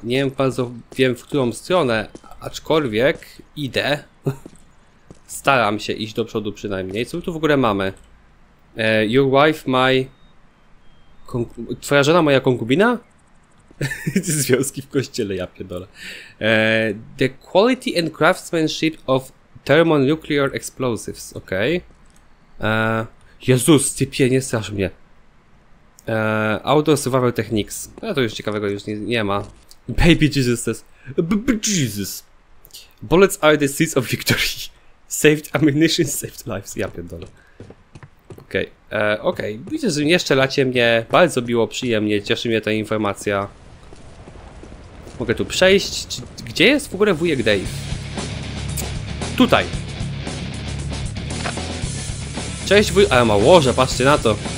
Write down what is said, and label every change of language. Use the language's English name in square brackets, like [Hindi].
[Polish] Nie wiem bardzo, wiem w którą stronę, aczkolwiek idę. Staram się iść do przodu przynajmniej. Co my tu w ogóle mamy? [English] Your wife, my... [Polish] Twoja żona, moja konkubina? Związki w kościele, ja pierdolę. [English] The quality and craftsmanship of thermonuclear explosives. [Polish] Okej. Okay. Jezus, typie, nie strasz mnie. [English] Auto Survival Techniques. [Polish] A to już ciekawego już nie ma. [English] Baby Jesus says. Jesus. Bullets are the seeds of victory. Saved ammunition, saved lives. [Polish] Ja pierdolę. Okej. Okej. Widzę, że jeszcze lacie mnie. Bardzo miło, przyjemnie. Cieszy mnie ta informacja. Mogę tu przejść. Gdzie jest w ogóle wujek Dave? Tutaj. Cześć wuj... Ale ma łoże, patrzcie na to.